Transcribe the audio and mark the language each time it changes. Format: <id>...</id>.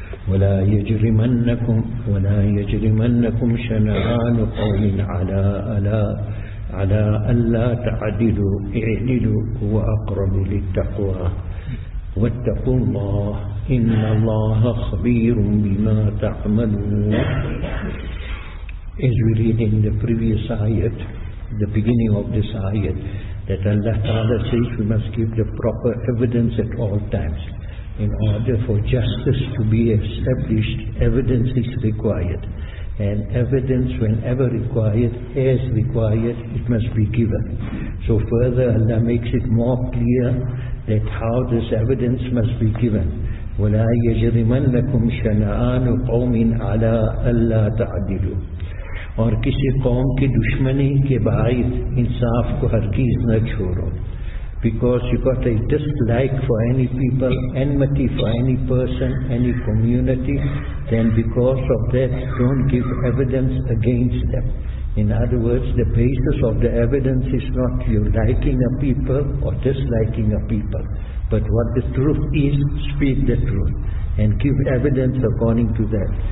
<ar>ولا يجرمنكم شنآن قوم على ألا تعدلوا اعدلوا هو أقرب للتقوى واتقوا الله إن الله خبير بما تعملون.</ar> <en>As we read in the previous ayat, the beginning of this ayat, that Allah Ta'ala says we must give the proper evidence at all times. In order for justice to be established, evidence is required. And evidence, whenever required, as required, it must be given. So further Allah makes it more clear that how this evidence must be given.</en> <ar>وَلَا يَجْرِمَنَّكُمْ شَنَآنُ قَوْمٍ عَلَىٰ أَلَّا تَعْدِلُ.</ar> <ur>اور کسی قوم کی دشمنی کے باعث انصاف کو ہرگز نہ چھوڑو.</ur> <en>Because you got a dislike for any people, enmity for any person, any community, then because of that, don't give evidence against them. In other words, the basis of the evidence is not you liking a people or disliking a people, but what the truth is, speak the truth and give evidence according to that.</en>